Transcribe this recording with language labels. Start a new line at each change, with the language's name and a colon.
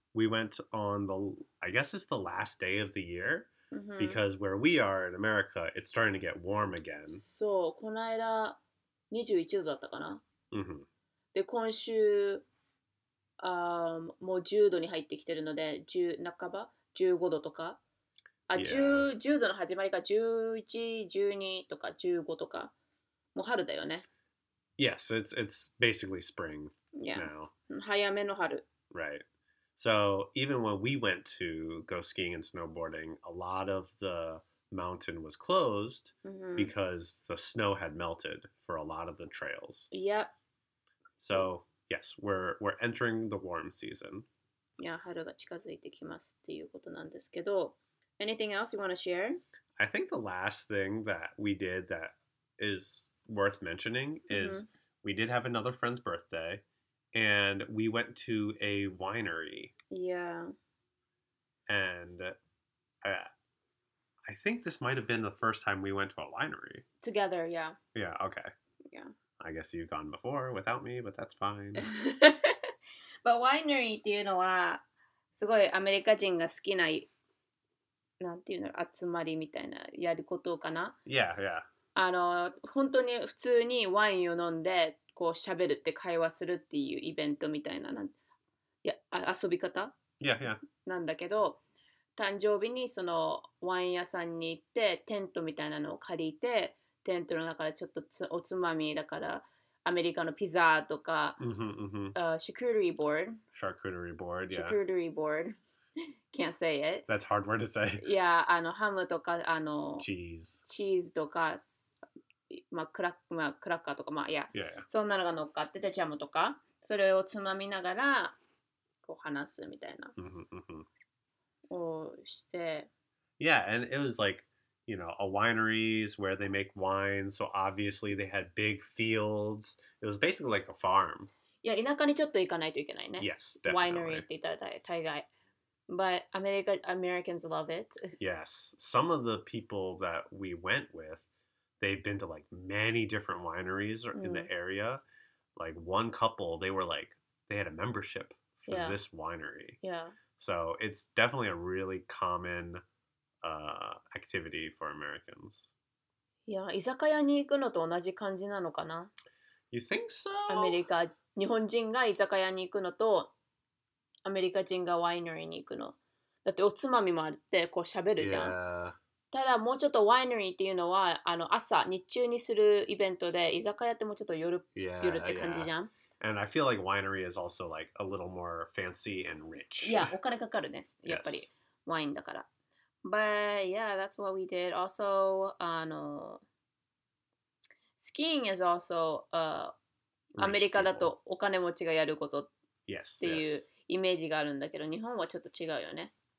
English: We went on the, I guess it's the last day of the year,、 mm-hmm. because where we are in America, it's starting to get warm again.
Japanese: そう、この間21度だったかな。 Mm-hmm. で、今週、もう10度に入ってきてるので、10半ば ?15 度とか。あ、yeah. 10度の始まりか、11、12とか、15とか。もう春だよね。
English: Yes, it's basically spring、 yeah. now.
Japanese: 早めの春。
English: Right. So even when we went to go skiing and snowboarding, a lot of the mountain was closed、 mm-hmm. because the snow had melted for a lot of the trails. Yep. So yes, we're entering the warm season.
Japanese: Yeah, 春が近づいてきますっていうことなんですけど。
English: Anything else you want to share? I think the last thing that we did that is worth mentioning、mm-hmm. is we did have another friend's birthday. And we went to a winery. Yeah. And I think this might have been the first time we went to a winery. Together, yeah. Yeah, okay. Yeah. I guess you've gone before without me, but that's fine.
Japanese: But winery っていうのは、すごいアメリカ人が好きな、なんていうの、集まりみたいなやることかな。
English: Yeah, yeah.
Japanese: 本当に普通にワインを飲んで、こう喋るって会話するっていうイベントみたいな、いや遊び方、
English: yeah, yeah.
Japanese: なんだけど、誕生日にそのワイン屋さんに行ってテントみたいなのを借りて、テントの中でちょっとおつまみだからアメリカのピザとか、シャクルリーボード。シャクルリーボード、
English: yeah. シャクルリーボード。Can't say it. That's a hard word to say.
Japanese: Yeah, あのハムとか、あの、チーズとか、まあ、クラッカーとか、まあ、
English: yeah.
Japanese: そんなのが乗っかってて、ジャムとか、それをつまみながら、こう話すみたいな。をして。
English: Yeah, and it was like,you know, a wineries where they make wine. So obviously they had big fields. It was basically like a farm.
Japanese: Yeah, 田舎にちょっと行かないといけないね。
English: Yes, definitely. Winery
Japanese: って言ったら大概。
English: But Americans love it. Yes. Some of the people that we went with, they've been to like many different wineries in the area. Like one couple, they were like, they had a membership for this winery. Yeah. So it's definitely a really common... activity for Americans.
Japanese: Yeah, 居酒屋に行くのと同じ感じなのかな?
English: You think so?
Japanese: アメリカ、日本人が居酒屋に行くのと、アメリカ人がワイナリーに行くの。だっておつまみもあって、こう喋るじゃん。ただもうちょっとワイナリーっていうのは、あの朝、日中にするイベントで、居酒屋ってもうちょっと夜って感じじゃん。
English: And I feel like winery is also like a little more fancy and rich.
Japanese: Yeah, お金かかるね。やっぱり、ワインだから。
English: But yeah, that's what we did. Also, skiing is also,
Japanese: America だとお金持ちがやることっていうイメージがあるんだけど、日本はちょっと違うよね。